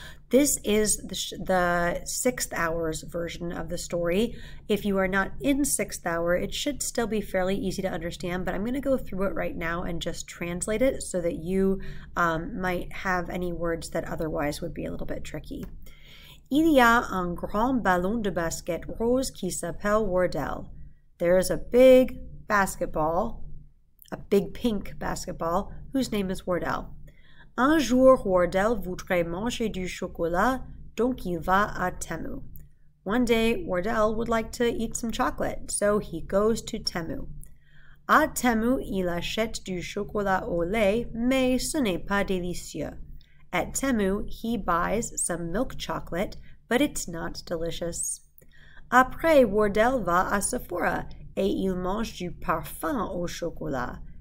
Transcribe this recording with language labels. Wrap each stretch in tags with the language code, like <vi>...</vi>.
<en>This is the sixth hours version of the story. If you are not in sixth hour, it should still be fairly easy to understand, but I'm going to go through it right now and just translate it so that you might have any words that otherwise would be a little bit tricky.</en> <fr>Il y a un grand ballon de basket rose qui s'appelle Wardell.</fr> <en>There is a big basketball, a big pink basketball, whose name is Wardell.</en> <fr>Un jour, Wardell voudrait manger du chocolat, donc il va à Temu.</fr> <en>One day, Wardell would like to eat some chocolate, so he goes to Temu.</en> <fr>À Temu, il achète du chocolat au lait, mais ce n'est pas délicieux.</fr> <en>At Temu, he buys some milk chocolate, but it's not delicious.</en> <fr>Après, Wardell va à Sephora et il mange du parfum au chocolat.</fr>